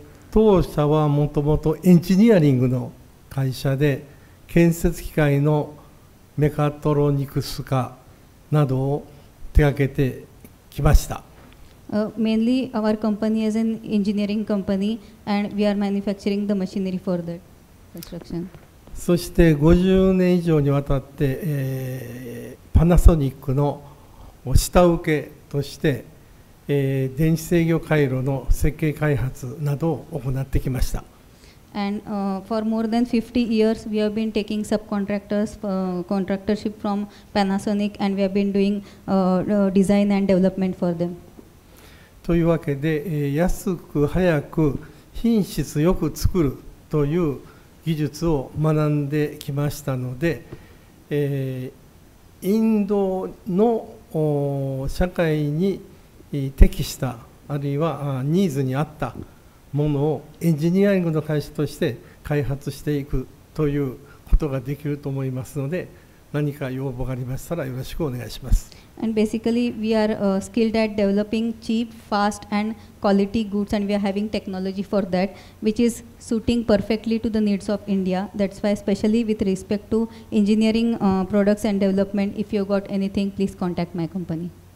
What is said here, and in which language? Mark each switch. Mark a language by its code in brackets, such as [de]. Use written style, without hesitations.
[ja] 当社はもともとエンジニアリングの会社で、建設機械のメカトロニクス化などを手掛けてきました。 [en] Mainly our company is an engineering company and we are manufacturing the machinery for the construction. [ja] そして50年以上にわたって、パナソニックの下請けとして、電子制御回路の設計開発などを行ってきました。 [en] And for more than 50 years, we have been taking subcontractors contractorship from Panasonic, and we have been doing design and development for them. [ja] というわけで、安く早く品質よく作るという技術を学んできましたので、インドの社会に適したあるいはニーズに合ったものをエンジニアリングの会社として開発していくということができると思いますので、何か要望がありましたらよろしくお願いします。 [en] And basically, we are skilled at developing cheap, fast, and quality goods, and we are having technology for that, which is suiting perfectly to the needs of India. That's why, especially with respect to engineering products and development, if you got anything, please contact my company.